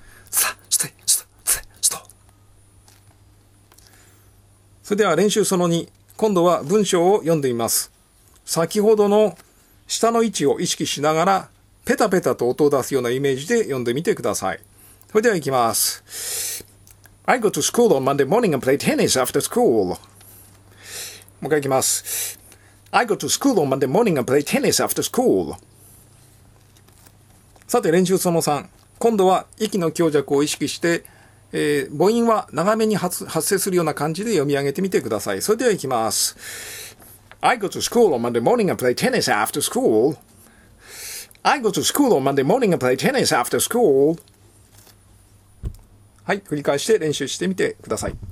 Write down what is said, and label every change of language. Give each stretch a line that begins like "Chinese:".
Japanese: スタ、スティ、スル、スレ、スロ。それでは練習その2。今度は文章を読んでみます。先ほどの舌の位置を意識しながら、ペタペタと音を出すようなイメージで読んでみてください。それでは行きます。
English: I go to school on Monday morning and play tennis after school.
Japanese: もう一回行きます。
English: I go to school on Monday morning and play tennis after school.
Japanese: さて、練習その3。今度は息の強弱を意識して、母音は長めに発生するような感じで読み上げてみてください。それでは行きます。
English: I go to school on Monday morning and play tennis after school. I go to school on Monday morning and play tennis after school.
Japanese: はい、繰り返して練習してみてください。